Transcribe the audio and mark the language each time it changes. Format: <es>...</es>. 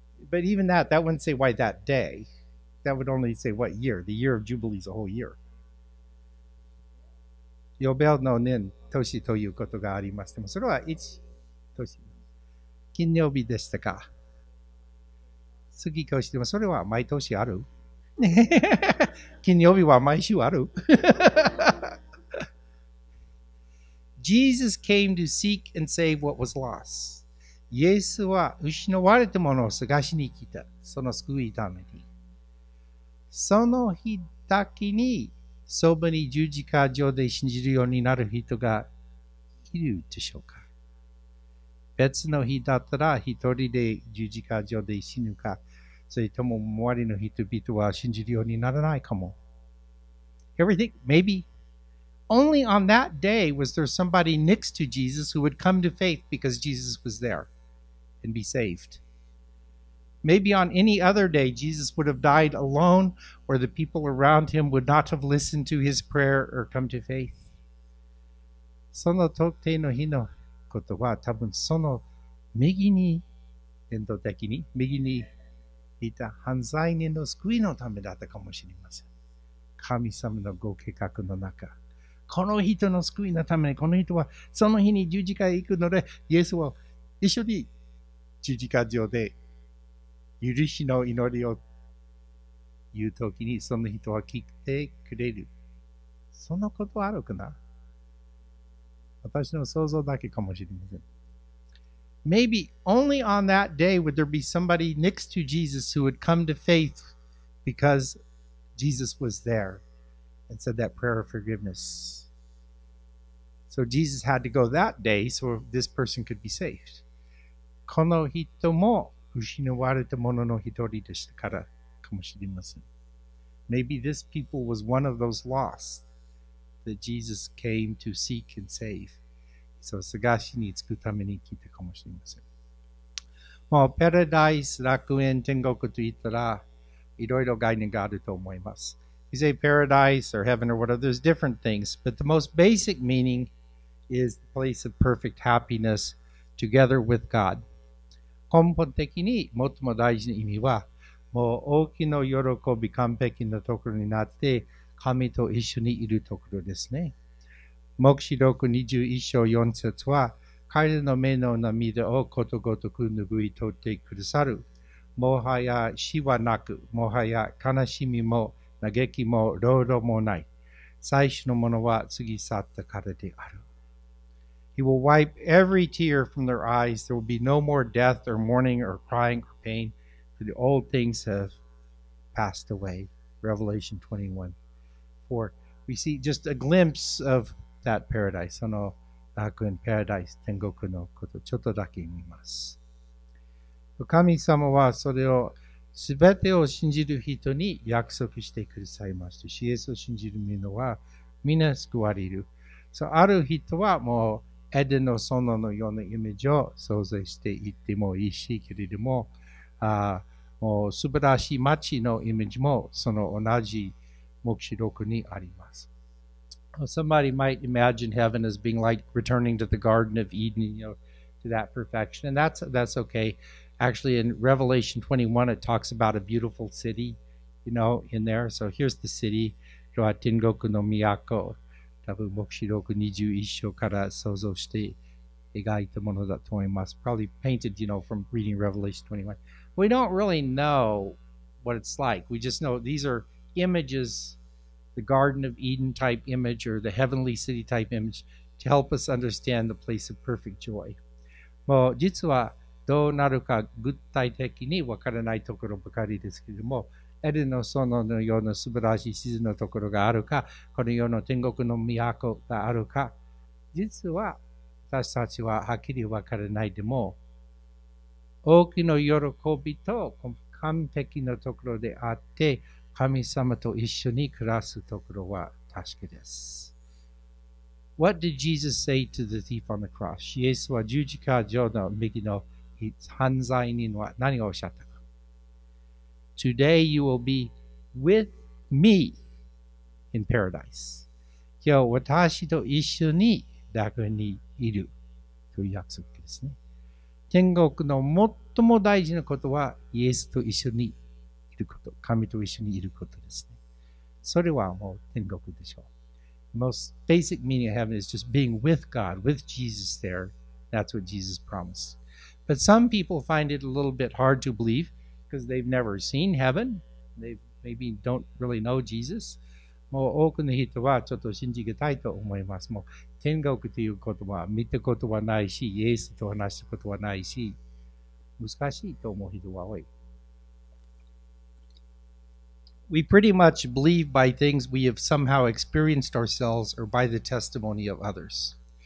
<en>But even that, that wouldn't say why that day. That would only say what year. The year of Jubilee is a whole year.</en> <ja>ヨベルの年、年ということがあります。でもそれは一年。金曜日でしたか。次かもしれません。それは毎年ある。金曜日は毎週ある。</ja> <en>Jesus came to seek and save what was lost.</en> <ja>イエスは失われたものを探しに来た。その救いために。その日だけに、そばに十字架上で信じるようになる人がいるでしょうか。別の日だったら一人で十字架上で死ぬか、それとも周りの人々は信じるようにならないかも。</ja> <en>Everything, maybe. Only on that day was there somebody next to Jesus who would come to faith because Jesus was there and be saved. Maybe on any other day, Jesus would have died alone, or the people around him would not have listened to his prayer or come to faith.</en> <ja>その特定の日のことは、多分その右に、伝統的に、右にいた犯罪人の救いのためだったかもしれません。神様のご計画の中、この人の救いのために、この人はその日に十字架へ行くので、イエスを一緒に十字架上で、許しの祈りを言うときにその人は聞いてくれる。そのことはあるかな?私の想像だけかもしれません。</ja> <en>Maybe only on that day would there be somebody next to Jesus who would come to faith because Jesus was there and said that prayer of forgiveness. So Jesus had to go that day so this person could be saved.</en> <ja>この人も失われたものの一人でしたからかもしれません。</ja> <en>Maybe this people was one of those lost that Jesus came to seek and save.</en> <ja>So, 探しに着くために来たかもしれません。もう、パラダイス、楽園、天国といったら、いろいろ概念があると思います。</ja> <en>You say paradise or heaven or whatever, there's different things, but the most basic meaning is the place of perfect happiness together with God.</en> <ja>根本的に最も大事な意味は、もう大きな喜び、完璧なところになって、神と一緒にいるところですね。黙示録21章4節は、彼の目の涙をことごとく拭い取ってくださる。もはや死はなく、もはや悲しみも嘆きも老老もない。最初のものは過ぎ去ったからである。</ja> <en>He will wipe every tear from their eyes. There will be no more death or mourning or crying or pain, for the old things have passed away. Revelation 21. For we see just a glimpse of that paradise.</en> <ja>その楽園、パラダイス、天国のことちょっとだけ見ます。神様はそれをすべてを信じる人に約束してくださいました。主イエスを信じる者は皆救われる。So, ある人はもうエデンの園のようなイメージを想像していってもいいし、けれども、もう素晴らしい町のイメージもその同じ目視録にあります。</ja> <en>Somebody might imagine heaven as being like returning to the Garden of Eden, you know, to that perfection, and that's okay. Actually, in Revelation 21, it talks about a beautiful city, you know, in there. So here's the city, Tengoku no Miyako.</en> <ja>多分、黙示録21章から想像して描いたものだと思います。</ja> <en>Probably painted, you know, from reading Revelation 21. We don't really know what it's like. We just know these are images. The Garden of Eden type image or the Heavenly City type image to help us understand the place of perfect joy.</en> <ja>もう実はどうなるか具体的にわからないところばかりですけれども、エデンの園のような素晴らしい地図のところがあるか、この世の天国の都があるか、実は私たちははっきりわからないでも、大きな喜びと完璧なところであって、神様と一緒に暮らすところは確かです。</ja> <en>What did Jesus say to the thief on the cross?</en> <ja>イエスは十字架上の右の犯罪人は何をおっしゃったか。</ja> <en>Today you will be with me in paradise.</en> <ja>今日私と一緒に楽園にいるという約束ですね。天国の最も大事なことはイエスと一緒にいること、神と一緒にいることですね。それはもう天国でしょう。</ja> <en>The most basic meaning of heaven is just being with God, with Jesus there. That's what Jesus promised. But some people find it a little bit hard to believe because they've never seen heaven. They maybe don't really know Jesus.</en> <ja>もう多くの人はちょっと信じがたいと思います。もう天国という言葉は見たことはないし、イエスと話したことはないし、難しいと思う人は多い。</ja> <en>We pretty much believe by things we have somehow experienced ourselves or by the testimony of others.</en>